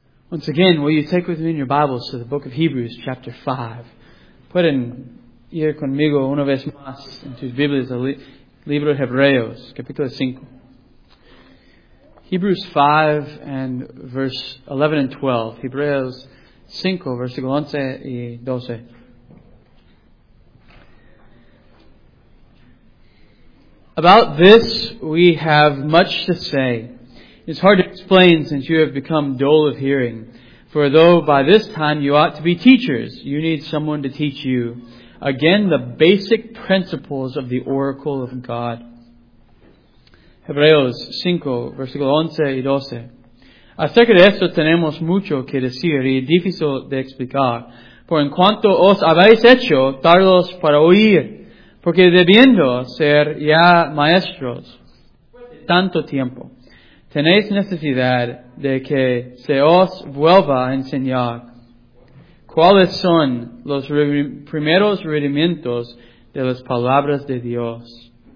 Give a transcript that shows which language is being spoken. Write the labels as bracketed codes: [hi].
[en] Once again, will you take with me in your Bibles to the book of Hebrews, chapter 5. [es] Pueden ir conmigo una vez más en tus Biblias, el libro de Hebreos, capítulo 5. [en] Hebrews 5 and verse 11 and 12. [es] Hebreos 5, versículo 11 y 12. [en] About this we have much to say. It's hard to explain since you have become dull of hearing. For though by this time you ought to be teachers, you need someone to teach you again the basic principles of the oracle of God. [es] Hebreos 5, versículo 11 y 12. Acerca de esto tenemos mucho que decir y difícil de explicar. Por en cuanto os habéis hecho tardos para oír, porque debiendo ser ya maestros de tanto tiempo, tenéis necesidad de que se os vuelva a enseñar cuáles son los primeros rudimentos de las palabras de Dios.